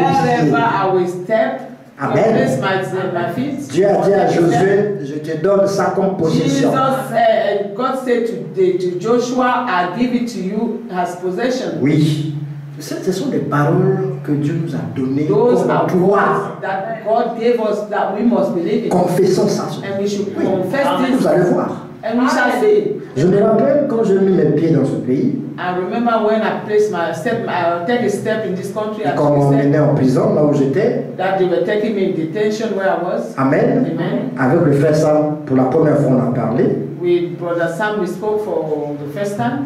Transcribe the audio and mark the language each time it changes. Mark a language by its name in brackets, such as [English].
[English] Wherever I will step. Amen. [French] Dieu a dit à Josué, je te donne ça comme possession. [English] God said to Joshua, I give it to you as possession. [French] Oui. Ce sont des paroles que Dieu nous a données [English] those [French] comme droit. [English] That God gave us that we must believe it. [French] Confessons ça. [English] And we should confess this. [French] Vous allez voir. [English] And we shall see. [French] Je me rappelle quand je mis mes pieds dans ce pays. [English] I remember when I placed my step, I took a step in this country. [French] Et quand on m'emmenait en prison, là où j'étais. [English] That they were taking me in detention where I was. Amen. Amen. [French] Avec le frère Sam, pour la première fois, on a parlé. [English] With brother Sam, we spoke for the first time.